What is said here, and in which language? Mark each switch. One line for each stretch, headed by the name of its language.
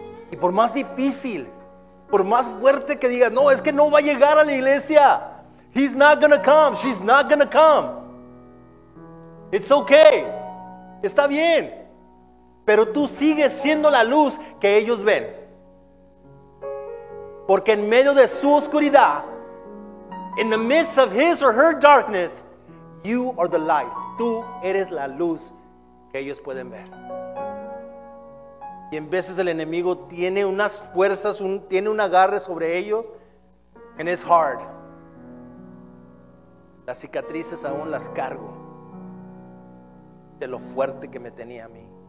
Spanish: Y por más difícil, por más fuerte que digas, no, es que no va a llegar a la iglesia.
English: He's not gonna come. She's not gonna come. It's okay.
Spanish: Está bien. Pero tú sigues siendo la luz que ellos ven. Porque en medio de su oscuridad,
English: in the midst of his or her darkness, you are the light.
Spanish: Tú eres la luz que ellos pueden ver. Y en veces el enemigo tiene unas fuerzas, tiene un agarre sobre ellos,
English: and it's hard.
Spanish: Las cicatrices aún las cargo de lo fuerte que me tenía a mí.